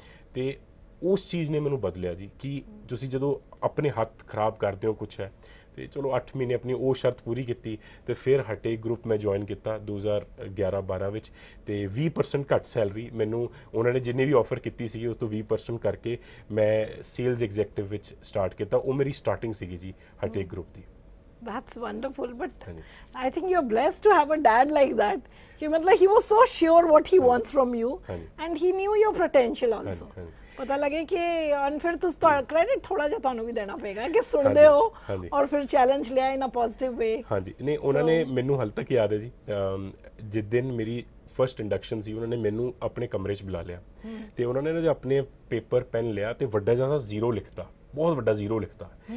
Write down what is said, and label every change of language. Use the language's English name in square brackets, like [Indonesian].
[Punjabi] ਅਤੇ ਉਸ ਚੀਜ਼ ਨੇ ਮੈਨੂੰ ਬਦਲਿਆ ਜੀ, ਕਿ ਤੁਸੀਂ ਜਦੋਂ ਆਪਣੇ ਹੱਥ ਖਰਾਬ ਕਰਦੇ ਹੋ ਕੁਛ ਹੈ, ਅਤੇ ਚਲੋ 8 ਮਹੀਨੇ ਆਪਣੀ ਉਹ ਸ਼ਰਤ ਪੂਰੀ ਕੀਤੀ ਅਤੇ ਫਿਰ ਹਟੇ ਗਰੁੱਪ ਮੈਂ ਜੁਆਇਨ ਕੀਤਾ 2011-12 ਵਿੱਚ। ਅਤੇ 20% ਘੱਟ ਸੈਲਰੀ ਮੈਨੂੰ ਉਹਨਾਂ ਨੇ ਜਿੰਨੀ ਵੀ ਔਫਰ ਕੀਤੀ ਸੀਗੀ ਉਸ ਤੋਂ 20% ਕਰਕੇ ਮੈਂ ਸੇਲਜ਼ ਐਗਜ਼ੈਕਟਿਵ ਵਿੱਚ ਸਟਾਰਟ ਕੀਤਾ। ਉਹ ਮੇਰੀ ਸਟਾਰਟਿੰਗ ਸੀਗੀ ਜੀ ਹਟੇ group ਦੀ। [English] That's wonderful, but I think you're blessed to have a dad like that. He was so sure what he wants from you, and he knew your potential also. [Punjabi] ਪਤਾ ਲੱਗੇ ਕਿ ਫਿਰ ਤੁਸੀਂ ਤੁਹਾਡਾ credit ਥੋੜ੍ਹਾ ਜਿਹਾ ਤੁਹਾਨੂੰ ਵੀ ਦੇਣਾ ਪਏਗਾ ਕਿ ਸੁਣਦੇ ਹੋ ਔਰ ਫਿਰ ਚੈਲੰਜ ਲਿਆ [English] In a positive way. [Punjabi] ਹਾਂਜੀ, ਨਹੀਂ ਉਹਨਾਂ ਨੇ ਮੈਨੂੰ ਹਾਲੇ ਤੱਕ ਯਾਦ ਹੈ ਜੀ, ਜਿਸ ਦਿਨ ਮੇਰੀ ਫਸਟ ਇੰਡਕਸ਼ਨ ਸੀ ਉਹਨਾਂ ਨੇ ਮੈਨੂੰ ਆਪਣੇ ਕਮਰੇ 'ਚ ਬੁਲਾ ਲਿਆ, ਅਤੇ ਉਹਨਾਂ ਨੇ ਨਾ ਜੇ ਆਪਣੇ ਪੇਪਰ ਪੈਨ ਲਿਆ ਅਤੇ ਵੱਡਾ ਜ਼ਿਆਦਾ 0 ਲਿਖਤਾ, ਬਹੁਤ ਵੱਡਾ 0 ਲਿਖਤਾ।